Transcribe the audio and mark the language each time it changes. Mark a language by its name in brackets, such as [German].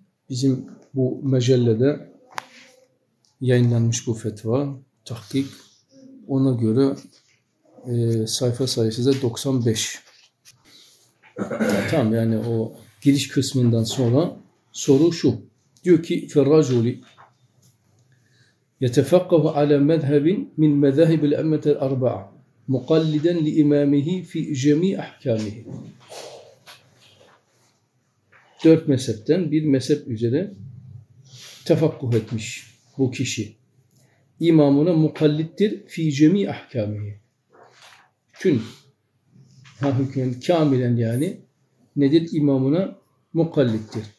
[Turkish] Bizim bu mecellede yayınlanmış bu fetva, tahkik, ona göre sayfa sayısı da 95. Tamam, yani o giriş kısmından sonra soru şu. Diyor ki Ferraculi [Arabic] يتفقه على مذهب من مذاهب الأمة الأربعة مقلدا لإمامه في جميع أحكامه. [Turkish] Dört mezhepten bir mezhep üzere tefakkuh etmiş bu kişi. İmamına mukallittir [Arabic] fi cemi ahkamihi. [Turkish] Tüm hüküm kamilen, yani nedir, imamına mukallittir.